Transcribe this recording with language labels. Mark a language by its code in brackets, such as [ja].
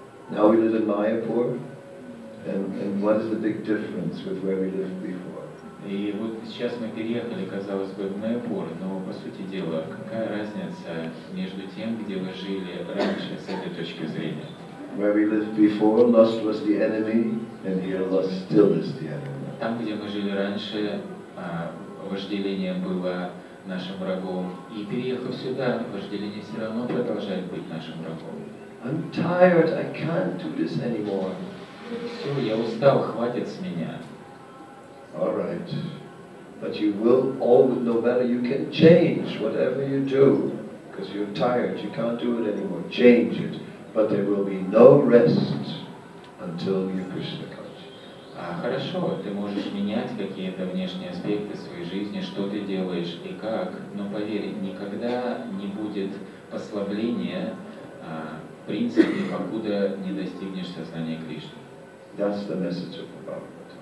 [en] Now we live in Mayapur, and what is the big difference with where we lived before? [ru] И вот сейчас мы переехали, казалось бы, в Майпур, но по сути дела, какая разница между тем, где вы жили раньше с этой точки зрения? [en] Where we lived before, lust was the enemy, and here lust still is the enemy. [ru] Там, где мы жили раньше, вожделение было нашим врагом, и переехав сюда, вожделение все равно продолжает быть нашим врагом. [en] I'm tired, I can't do this anymore. [ru] Все, я устал, хватит с меня. [en] All right, but you will always, no matter, you can change whatever you do, because you're tired, you can't do it anymore, change it, but there will be no rest until you're Krishna conscious. [ru] Хорошо, ты можешь менять какие-то внешние аспекты своей жизни, что ты делаешь и как, но поверь, никогда не будет послабления в принципе, покуда не достигнешь сознания Кришны. [en] That's the message of Prabhupada.